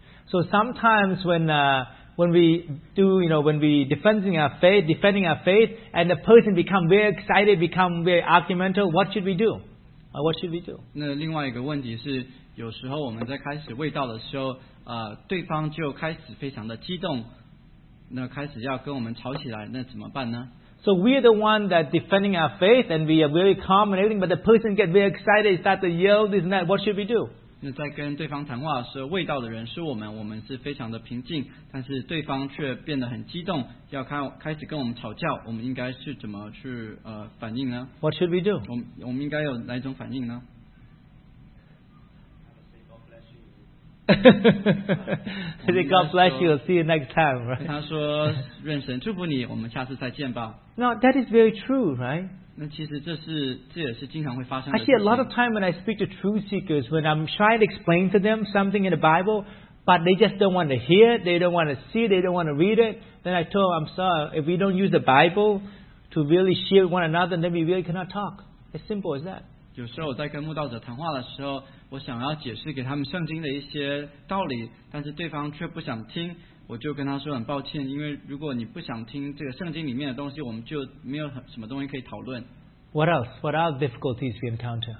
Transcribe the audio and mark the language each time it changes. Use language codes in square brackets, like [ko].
[en] So sometimes when we do, you know, when we defending our faith, and the person become very excited, become very argumental, what should we do? What should we do? [zh] 那另外一个问题是，有时候我们在开始卫道的时候。对方就开始非常的激动，那开始要跟我们吵起来，那怎么办呢 [en] ？So we are the one that defending our faith, and we are very calm and everything, but the person get very excited, start to yell, this and that. What should we do? [zh] 那在跟对方谈话的时候，味道的人是我们，我们是非常的平静，但是对方却变得很激动，要开始跟我们吵架，我们应该是怎么去反应呢 [en] ？What should we do? [zh] 我们应该有哪一种反应呢？ [en] Say God bless you. See you next time, right? [zh] 他说愿神祝福你，我们下次再见吧。 [en] Now that is very true, right? [zh] 那其实这也是经常会发生的。 [en] Actually, a lot of time when I speak to truth seekers, when I'm trying to explain to them something in the Bible, but they just don't want to hear, they don't want to see, they don't want to read it, then I told them, I'm sorry, if we don't use the Bible to really share with one another, then we really cannot talk. As simple as that. [zh] 有时候我在跟慕道者谈话的时候。我想要解释给他们圣经的一些道理，但是对方却不想听，我就跟他说很抱歉，因为如果你不想听这个圣经里面的东西，我们就没有什么东西可以讨论。 [en] What else? What are difficulties we encounter?